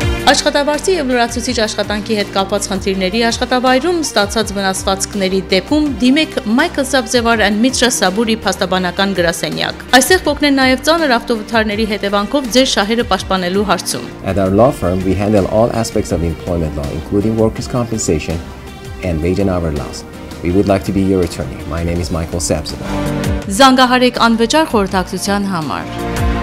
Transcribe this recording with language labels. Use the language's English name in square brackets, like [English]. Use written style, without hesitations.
[Armenian] Աշխատավարձի եւ լրացուցիչ աշխատանքի հետ կապված խնդիրների աշխատավայրում ստացած վնասվածքների դեպքում դիմեք Micheal, Sabzevar and Mitra Sabouri փաստաբանական գրասենյակ։ Այստեղ կօգնեն նաեւ ծանր ավտովթարների հետևանքով ձեր շահերը պաշտպանելու հարցում։ [English] At our law firm, we handle all aspects of employment law, including workers' compensation and wage and hour laws. We would like to be your attorney. My name is Micheal Sabzevar. [Armenian] Զանգահարեք անվճար խորհրդակցության համար